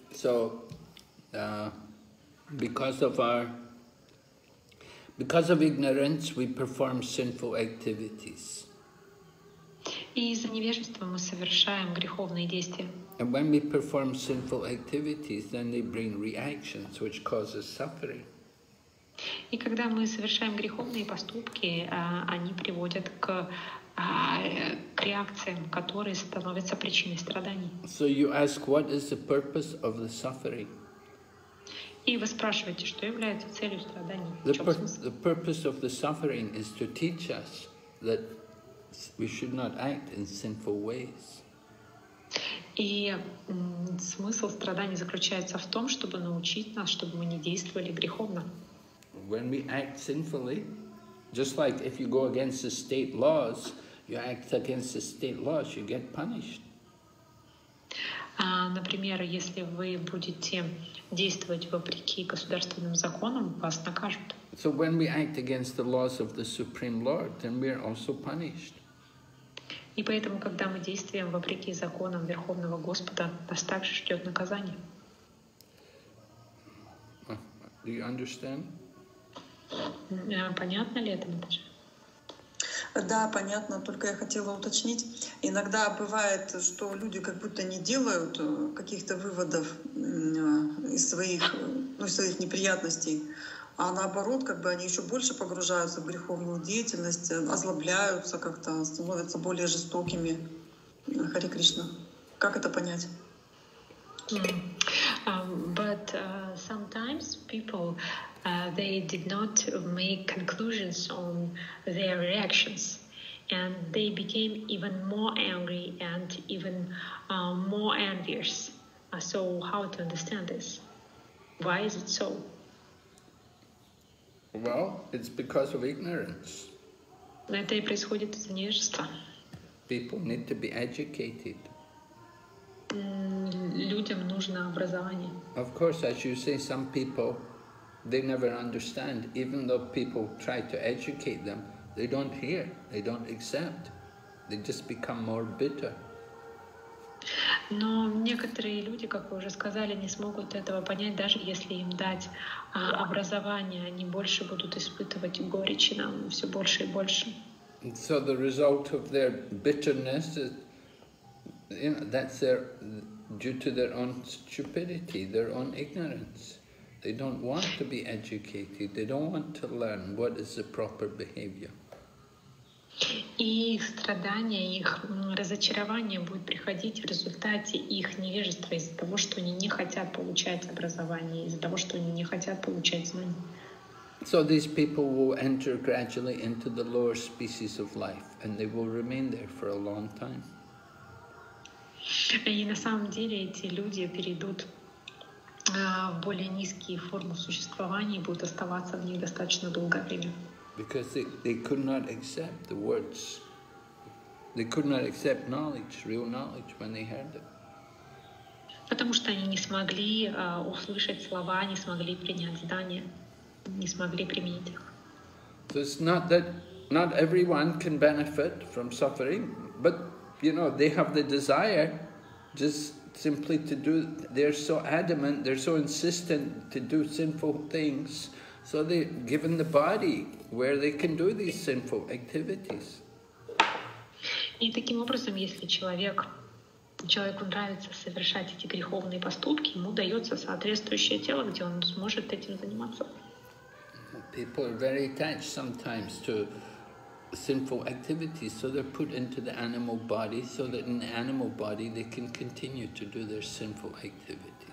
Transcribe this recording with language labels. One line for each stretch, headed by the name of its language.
English: So, because of ignorance, we perform sinful activities.
Russian: И из-за невежества мы совершаем греховные действия.
English: And when we perform sinful activities, then they bring reactions which causes suffering.
Russian: И когда мы совершаем греховные поступки, они приводят к реакциям, которые становятся причиной страданий.
English: So you ask, what is the purpose of the suffering?
Russian: И вы спрашиваете, что является целью страданий?
English: The purpose of the suffering is to teach us that we should not act in sinful ways.
Russian: И смысл страданий заключается в том, чтобы научить нас, чтобы мы не действовали греховно.
English: When we act sinfully, just like if you go against the state laws, you act against the state laws, you get punished.
Russian: Например, если вы будете действовать вопреки государственным законам, вас накажут.
English: So when we act against the laws of the Supreme Lord, then we are also punished.
Russian: И поэтому, когда мы действуем вопреки законам Верховного Господа, нас также ждет наказание.
English: Do you understand?
Russian: Понятно ли это, Наташа? Да, понятно, только я хотела уточнить. Иногда бывает, что люди как будто не делают каких-то выводов из своих, ну, из своих неприятностей, а наоборот, как бы они еще больше погружаются в греховную деятельность, озлобляются как-то, становятся более жестокими. Харе Кришна. Как это понять?
English: But sometimes people, they did not make conclusions on their reactions, and they became even more angry and even more envious. So how to understand this? Why is it so? Well, it's because of ignorance.
Russian: Это происходит из-за невежества.
English: People need to be educated.
Russian: Людям нужно образование.
English: Of course, as you say, some people, they never understand. Even though people try to educate them, they don't hear, they don't accept. They just become more bitter.
Russian: Но некоторые люди, как вы уже сказали, не смогут этого понять, даже если им дать образование. Они больше будут испытывать горечи, нам все больше и больше.
English: So the result of their bitterness is, you know, that's their, due to their own stupidity, their own ignorance. They don't want to be educated, they don't want to learn what is the proper behavior.
Russian: И их страдания, их разочарование будет приходить в результате их невежества из-за того, что они не хотят получать образование, из-за того, что они не хотят получать знания.
English: So these people will enter gradually into the lower species of life, and they will remain there for a long time.
Russian: И на самом деле эти люди перейдут в более низкие формы существования и будут оставаться в них достаточно долгое время.
English: Because they could not accept the words. They could not accept knowledge, real knowledge, when they heard it.
Russian: Потому что они не смогли услышать слова, не смогли принять знания, не смогли применить их.
English: So it's not that not everyone can benefit from suffering, but you know, they have the desire just simply to do, they're so adamant, they're so insistent to do sinful things, so they're given the body where they can do these sinful activities.
Russian: И таким образом, если человеку нравится совершать эти греховные поступки, ему дается соответствующее тело, где он сможет этим заниматься.
English: People are very attached sometimes to sinful activities, so they're put into the animal body, so that in the animal body they can continue to do their sinful activities.